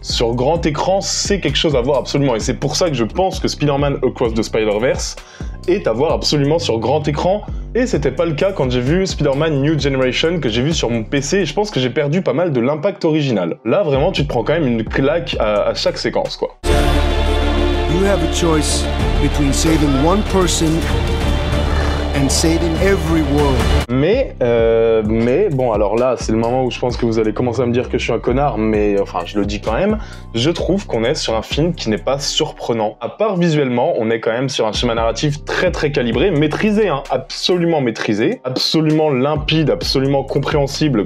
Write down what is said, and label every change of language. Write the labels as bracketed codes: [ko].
[fr] Sur grand écran, c'est quelque chose à voir absolument, et c'est pour ça que je pense que Spider-Man Across the Spider-Verse est à voir absolument sur grand écran. Et c'était pas le cas quand j'ai vu Spider-Man New Generation, que j'ai vu sur mon PC, et je pense que j'ai perdu pas mal de l'impact original. Là, vraiment, tu te prends quand même une claque à chaque séquence, quoi. [en] You have a choice between saving one person and saving every world. [fr] Mais, bon, alors là, c'est le moment où je pense que vous allez commencer à me dire que je suis un connard, mais, enfin, je le dis quand même, je trouve qu'on est sur un film qui n'est pas surprenant. À part visuellement, on est quand même sur un schéma narratif très très calibré, maîtrisé, hein, absolument maîtrisé, absolument limpide, absolument compréhensible.